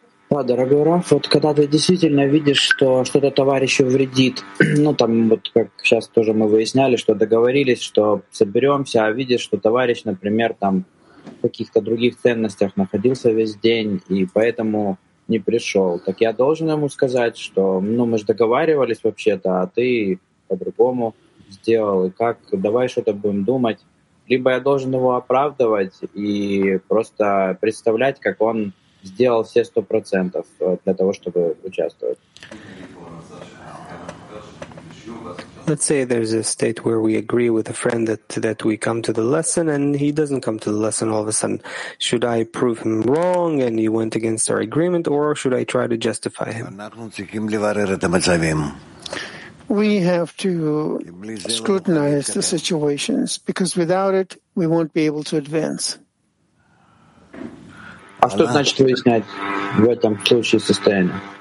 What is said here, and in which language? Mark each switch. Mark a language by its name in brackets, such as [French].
[Russian] Да, дорогой Раф, вот когда ты действительно видишь, что что-то товарищу вредит, ну там вот как сейчас тоже мы выясняли, что договорились, что соберемся, а видишь, что товарищ, например, там в каких-то других ценностях находился весь день и поэтому не пришел, так я должен ему сказать, что ну мы же договаривались вообще-то, а ты по-другому сделал, и как, давай что-то будем думать. Либо я должен его оправдывать и просто представлять, как он сделал все 100% для того, чтобы участвовать. [English] Let's say there's a state where we agree with a friend that we come to the lesson and he doesn't come to the lesson all of a sudden. Should I prove him wrong and he went against our agreement, or should I try to justify him? We have to scrutinize the situations, because without it, we won't be able to advance. [Russian] А что значит выяснять в этом случае состояние?